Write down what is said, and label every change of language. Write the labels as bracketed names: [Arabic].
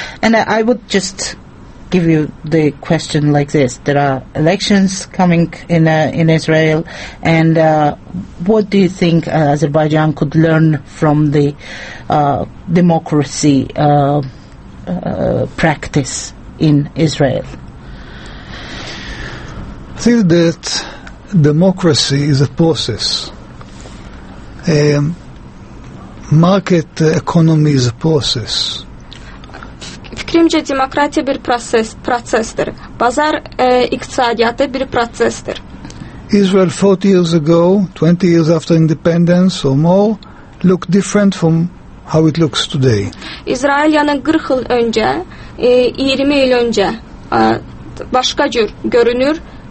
[English] And I would just give you the question like this: there are elections coming in Israel, and what do you think Azerbaijan could learn from the democracy practice in Israel? I think that democracy is a process. Market economy is a process. [Azerbaijani] Fikrimcə demokratiya bir prosesdir. Bazar iqtisadiyyatı bir prosesdir. [English] Israel 40 years ago, 20 years after independence or more, looked different from how it looks today. [Azerbaijani] İsrail yani 40 il öncə, 20 il öncə başqa cür görünür.